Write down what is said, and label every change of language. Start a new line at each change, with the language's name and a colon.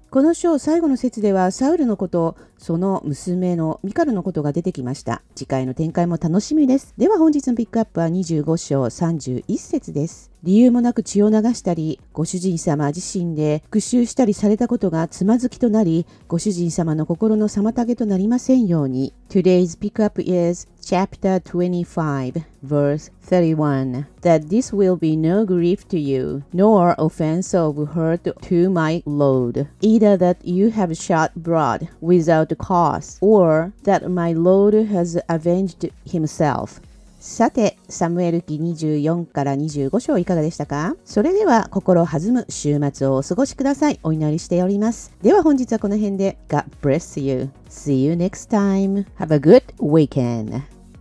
Japanese: この章最後の節ではサウルのこと、その娘のミカルのことが出てきました。次回の展開も楽しみです。では本日のピックアップは25章31節です。理由もなく血を流したり、ご主人様自身で復讐したりされたことがつまずきとなり、ご主人様の心の妨げとなりませんように。
English: Today's pick up is chapter 25, verse 31. That this will be no grief to you, nor offense of hurt to my lord, either that you have shot broad without cause, or that my lord has avenged himself.
Japanese: さて、サムエル記24から25章いかがでしたか？それでは心弾む週末をお過ごしください。お祈りしております。では本日はこの辺で。
English: God bless you. See you next time. Have a good weekend.